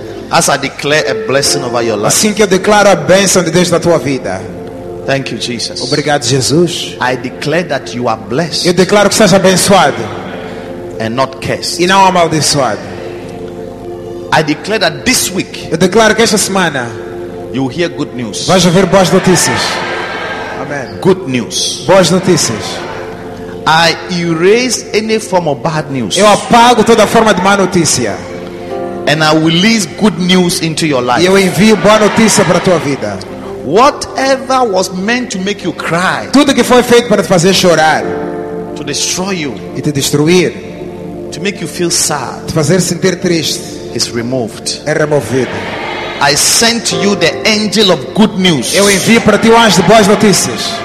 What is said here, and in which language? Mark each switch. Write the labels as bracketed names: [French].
[English] As I declare a blessing over your life. [Portuguese] Assim que eu declaro a bênção de Deus na tua vida. [English] Thank you, Jesus. [Portuguese] Obrigado, Jesus. [English] I declare that you are blessed. [Portuguese] Eu declaro que estás abençoado. [English] And not cursed. [Portuguese] E não amaldiçoado. [English] I declare that this week. [Portuguese] Eu declaro que esta semana. [English] You will hear good news. [Portuguese] Vais ouvir boas notícias. Amen. [English] Good news. [Portuguese] Boas notícias. [English] I erase any form of bad news. [Portuguese] Eu apago toda forma de má notícia. [English] And I will release good news into your life. [Portuguese] Eu envio boa notícia para tua vida. [English] Whatever was meant to make you cry. [Portuguese] Tudo que foi feito para te fazer chorar. [English] To destroy you. [Portuguese] E te destruir. [English] To make you feel sad. [Portuguese] Te fazer sentir triste. [English] Is removed. [Portuguese] É removido. [English] I sent to you the angel of good news. [Portuguese] Eu envio para ti o anjo de boas notícias.